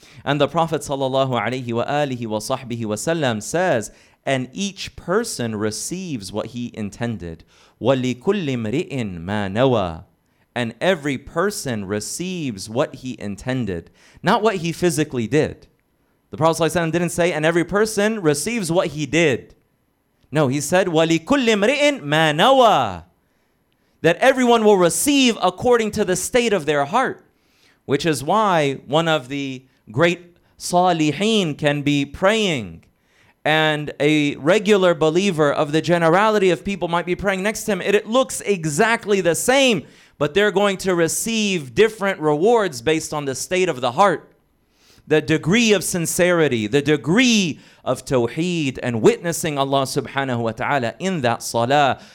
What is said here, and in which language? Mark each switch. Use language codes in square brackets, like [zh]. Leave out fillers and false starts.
[en] And the Prophet sallallahu alayhi wa alihi wa sahbihi wa sallam says, and each person receives what he intended. [ar] وَلِكُلِّ مْرِئٍ مَا نَوَى. [en] And every person receives what he intended, not what he physically did. The Prophet sallallahu alayhi wa sallam didn't say, and every person receives what he did. No, he said, [ar] وَلِكُلِّ مْرِئٍ مَا نَوَى. [en] That everyone will receive according to the state of their heart. Which is why one of the great salihin can be praying, and a regular believer of the generality of people might be praying next to him. It looks exactly the same, but they're going to receive different rewards based on the state of the heart, the degree of sincerity, the degree of tawheed and witnessing Allah subhanahu wa ta'ala in that salah.